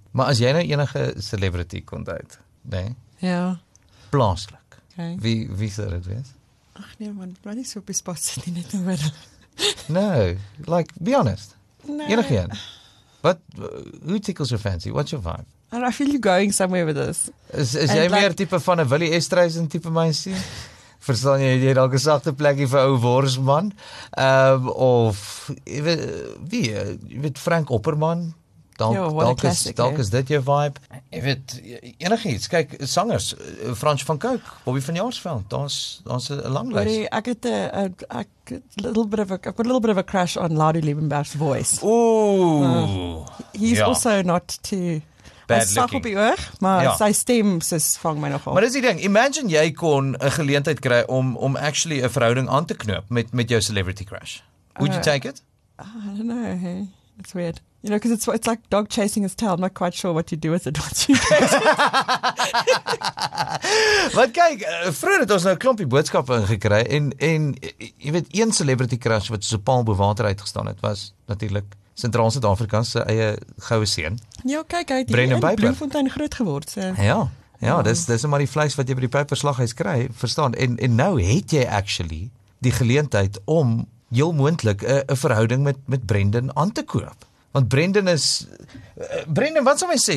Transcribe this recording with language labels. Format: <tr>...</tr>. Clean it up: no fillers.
<af>Maar as jy nou enige celebrity kon uit, né? Nee? Ja. Plaaslik. Okay. Wie sou dit wees? Ach nee man, bly nie so op die spot sit nie net nou wel.</af> <en>No, like, be honest.</en> <af>Nee. Enige een.</af> <en>What, who tickles your fancy? What's your vibe? And I feel you going somewhere with this.</en> <af>Is jy like, meer type van een Willie Estreisen type mensie? Verstaan jy, jy het al gesagte plekje vir ou Worsman? Of, jy weet Frank Opperman? Dalk is dit jou vibe? Jy weet, enig iets, kyk, sangers, Frans van Kuik, Bobby van Jaarsveld, dan is een lang lijst. Ek het</af> <en>a little bit of a crush on Laudie Liebenberg's voice. Ooh! He's also not too...</en> <af>Sag op die oog, maar sy stem sys vang my nogal. Maar dis die ding, imagine jy kon 'n geleentheid kry om actually 'n verhouding aan te knoop met jou celebrity crush.</af> <en>Would you take it? I don't know, hey. It's weird. You know, because it's like dog chasing his tail. I'm not quite sure what you do with it once you chase it.</en> <af>Wat kyk, vroeger het ons nou klompie boodskappe ingekry en jy weet, een celebrity crush wat so paal bo water uitgestaan het, was natuurlik... Centraal Suid-Afrika se eie goue seun. Ja, kyk, hy het in Bloemfontein groot geword. So. Ja, dis maar die vleis wat jy by die Peyper slaghuis kry, verstaan. En nou het jy actually die geleentheid om heel moontlik 'n verhouding met Brendan aan te koop. Want Brendan is... Brendan, wat sal my sê?</af>